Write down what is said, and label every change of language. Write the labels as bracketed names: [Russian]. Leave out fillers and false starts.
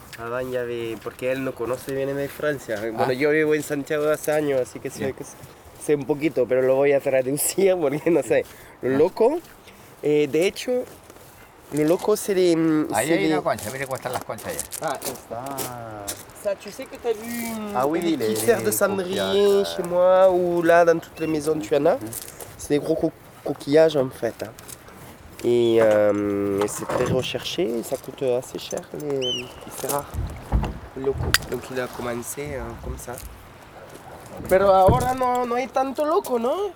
[Spanish] Adán ya vi, porque él no conoce bien de Francia. Bueno, yo vivo en Santiago hace años, así que sé un poquito, pero lo voy a traducir porque no sé. Loco, de hecho... Lo loco sería... Ahí hay una concha, mire cómo están las conchas allá. Ah, está. O sea, [French] tu sais que t'as vu une petite de cendrier chez moi ou là dans toutes les maisons tu en as? C'est des gros coquillages en fait. Hein. Et c'est très recherché, ça coûte assez cher, mais c'est rare. Loco. Donc il a commencé comme ça. [Spanish] Pero ahora no hay tanto loco, ¿no?